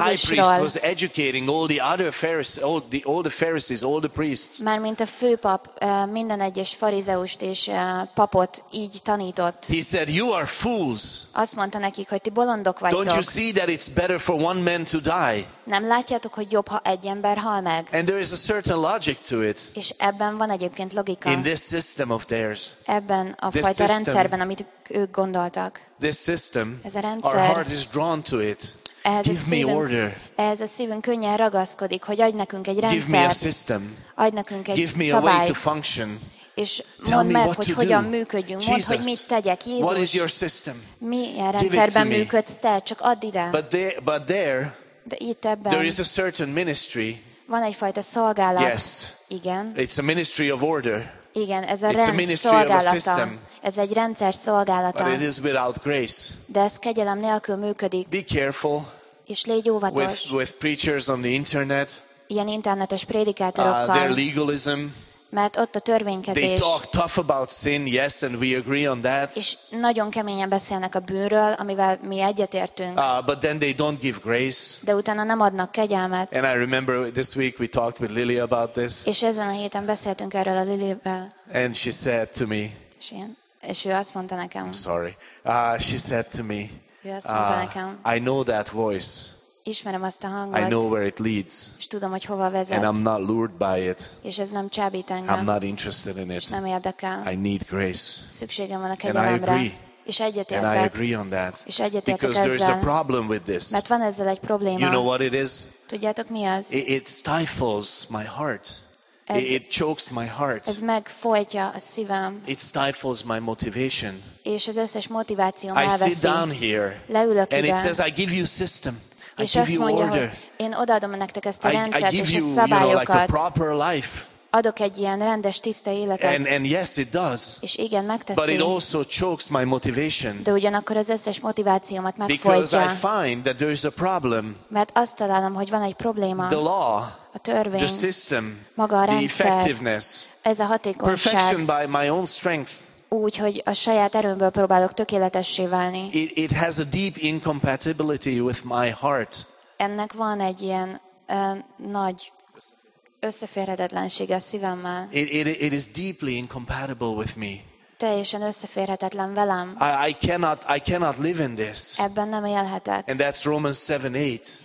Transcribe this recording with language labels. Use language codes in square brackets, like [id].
[en] The high priest was educating all the other Pharisees, all the Pharisees, all the priests. [hu] Mármint a főpap minden egyes farizeust és papot így tanított. [en] He said, "You are fools." [hu] Azt mondta nekik, hogy ti bolondok vagytok. [en] Don't you see that it's better for one man to die? [hu] Nem látjátok, hogy jobb, ha egy ember hal meg? [en] And there is a certain logic to it. [hu] És ebben van egyébként logika. [en] In this system of theirs. [hu] Ebben a fajta rendszerben, amit ők gondoltak. [en] This system. [hu] Ez a rendszer. [en] Our heart is drawn to it. Give me order. [hu] Ehhez a szívünk könnyen ragaszkodik, hogy adj nekünk egy rendszert. [en] Give me a system. [hu] Adj nekünk egy [en] Give me [hu] szabályt. [en] A way to function. [hu] És mondd meg, hogy hogyan működjünk. Mondd, hogy mit tegyek, Jézus. [en] What is your system? [hu] Milyen rendszerben működsz te? Csak add ide. [en] But there. [hu] De itt ebben [en] there is a certain ministry. [hu] Van egyfajta szolgálat. [en] Yes. [hu] Igen. [en] It's a ministry of order. [hu] Igen, ez a [en] It's [hu] rend [en] a ministry [hu] szolgálata. [en] Of a system. [hu] Ez egy rendszer szolgálata. [en] But it is without grace. [hu] De ez kegyelem nélkül működik. [en] Be careful. [hu] És légy óvatos. [en] With preachers on the internet. [hu] Ilyen internetes prédikátorokkal. [en] Their legalism. [hu] Mert ott a törvénykezés. [en] They talk tough about sin, yes, and we agree on that. [hu] És nagyon keményen beszélnek a bűnről, amivel mi egyetértünk. [en] But then they don't give grace. [hu] De utána nem adnak kegyelmet. [en] And I remember this week we talked with Lily about this. [hu] És ezen a héten beszéltünk erről a Lilivel. [en] And she said to me. [hu] És ő azt mondta nekem. [en] I'm sorry. She said to me. I know that voice. [hu] Ismerem azt a hangot. [en] I know where it leads. [hu] És tudom, hogy hova vezet. [en] And I'm not lured by it. [hu] És ez nem csábít engem. [en] I'm not interested in it. [hu] És nem érdekel. [en] I need grace. [hu] Szükségem van a kegyelemre. És egyetértek. [en] And I agree on that. [hu] És egyetértek [en] Because [hu] ezzel. [en] Because there is a problem with this. [hu] Mert van ezzel egy probléma. [en] You know what it is? [hu] Tudjátok mi az? [en] It stifles my heart. It chokes my heart. [hu] Ez megfojtja a szívem. [en] It stifles my motivation. [hu] És az összes motivációm elveszi. [en] I sit down here. [hu] Leülök [en] and [hu] ide. [en] It says I give you system. [hu] És azt mondja, hogy én odaadom nektek ezt a rendszert és a szabályokat. [en] You know, like [hu] a adok egy ilyen rendes, tiszta életet. [en] And yes, it does. [hu] És igen, megteszi. [en] But it also chokes my motivation. [hu] De ugyanakkor az összes motivációmat megfojtja. [en] Because I find that there is a problem. [hu] Mert azt találom, hogy van egy probléma. [en] The law. [hu] A törvény. [en] The system. [hu] Maga a rendszer. [en] The effectiveness. [hu] Ez a hatékonyság. [en] Perfection by my own strength. [hu] Úgy, hogy a saját erőmből próbálok tökéletessé válni. [en] It has a deep incompatibility with my heart. [hu] Ennek van egy ilyen nagy összeférhetetlensége a szívemmel. [en] It is deeply incompatible with me. [hu] Teljesen összeférhetetlen velem. [en] I cannot live in this. [hu] Ebben nem élhetek. [en] And that's Romans 7:8.